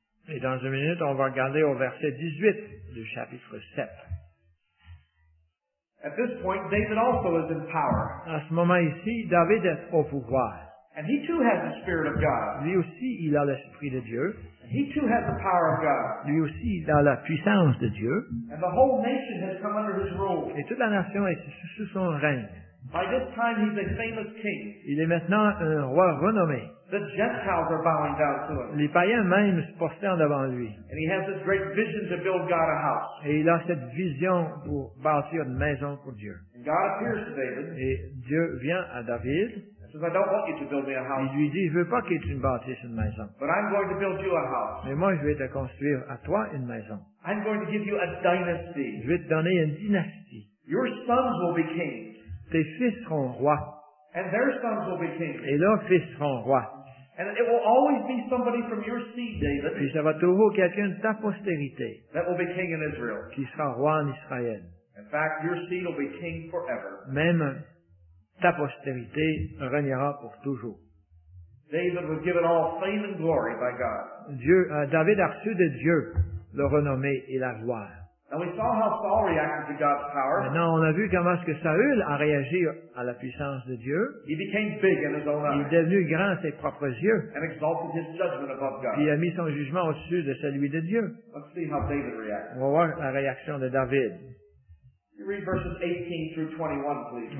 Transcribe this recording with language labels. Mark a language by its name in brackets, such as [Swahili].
[French] Et dans une minute, on va regarder au verset 18 du chapitre 7. [English] At this point, David also is in power. [French] À ce moment ici, David est au pouvoir. [English] And he too has the Spirit of God. [French] Lui aussi, il a l'Esprit de Dieu. [English] And he too has the power of God. [French] Lui aussi, il a la puissance de Dieu. [English] And the whole nation has come under his rule. [French] Et toute la nation est sous son règne. [English] By this time, he's a famous king. [French] Il est maintenant un roi renommé. [English] The Gentiles are bowing down to him. [French] Les païens même se prosternent devant lui. [English] And he has this great vision to build God a house. [French] Et il a cette vision pour bâtir une maison pour Dieu. [English] And God appears to David. [French] Et Dieu vient à David. [English] He says, I don't want you to build me a house. [French] Il lui dit, je veux pas que tu me bâtisses une maison. [English] But I'm going to build you a house. [French] Mais moi, je vais te construire à toi une maison. [English] I'm going to give you a dynasty. [French] Je vais te donner une dynastie. [English] Your sons will be kings. [French] Tes fils seront rois. [English] And their sons will be kings. [French] Et leurs fils seront rois. [English] And it will always be somebody from your seed, David. [French] Puis ça va toujours quelqu'un de ta postérité. [English] That will be king in Israel. [French] Qui sera roi en Israël. [English] In fact, your seed will be king forever. [French] Même ta postérité régnera pour toujours. [English] David was given all fame and glory by God. [French] David a reçu de Dieu le renommé et la gloire. [English] And we saw how Saul reacted to God's power. [French] Maintenant, on a vu comment est-ce que Saül a réagi à la puissance de Dieu. [English] He became big in his own eyes. [French] Il est devenu grand à ses propres yeux. [English] And exalted his judgment above God. [French] Puis il a mis son jugement au-dessus de celui de Dieu. [English] Let's see how David reacts. [French] On va voir la réaction de David. [English] You read verses 18 through 21, please.